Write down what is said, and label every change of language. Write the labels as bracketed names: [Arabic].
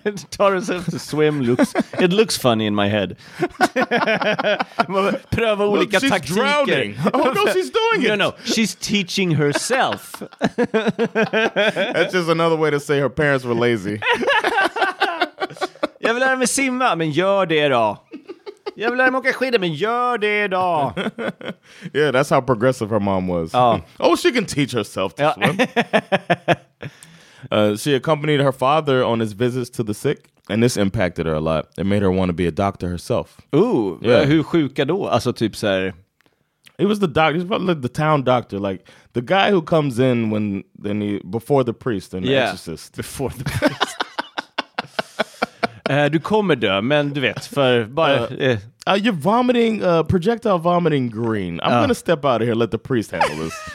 [English] Taught herself to swim. It looks funny in my head. [Swedish] Pröva olika taktiker. [English] She's drowning. Oh, no, she's doing it. No. She's teaching herself. That's just another way to say her parents were lazy. [Swedish] Jag vill lära mig simma, men gör det då. Jag vill lära mig åka skidor, men gör det då. [English] Yeah, that's how progressive her mom was. Oh, she can teach herself to swim. She accompanied her father on his visits to the sick, and this impacted her a lot. It made her want to be a doctor herself. Ooh, yeah. [Swedish] Hur sjuka då? Alltså typ så här. [English] It was the doctor, it was probably like the town doctor, like the guy who comes in when they need, before the priest and the exorcist. Before the priest. [Swedish] du kommer dö, men du vet, för bara. [English] You're vomiting, projectile vomiting green. I'm gonna step out of here, let the priest handle this.